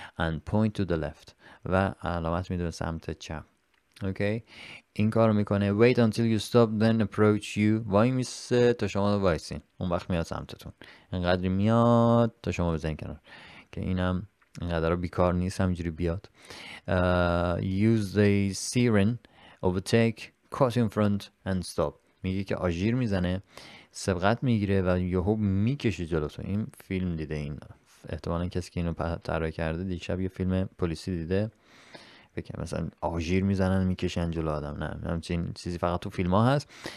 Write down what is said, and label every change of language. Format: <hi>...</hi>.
<en>and point to the left،</en> <fa>و علامت میده به سمت چپ. اوکی، این کار رو میکنه.</fa> <en>wait until you stop then approach you.</en> <fa>وای میسه تا شما رو وایسین، اون وقت میاد سمتتون، انقدر میاد تا شما بزنین کنار. که اینم اینقدر بیکار نیست همینجوری بیاد.</fa> <en>Use the siren, overtake, cut in front and stop.</en> <fa>میگه که آژیر میزنه، سبقت میگیره و یهو میکشه جلوتو. این فیلم دیده، این احتمالا کسی که اینو طراحی کرده دیشب یه فیلم پلیسی دیده، فکر کنم مثلا آژیر میزنن میکشن جلو آدم، نه همچین چیزی فقط تو فیلم ها هست.</fa>